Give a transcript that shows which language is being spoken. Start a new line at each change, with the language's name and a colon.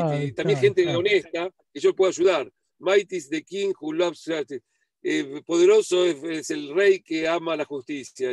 Spanish: Ah, también claro, gente claro. Honesta que yo pueda ayudar.
English: Might is the king who loves charity.
Spanish: Poderoso es el rey que ama la justicia.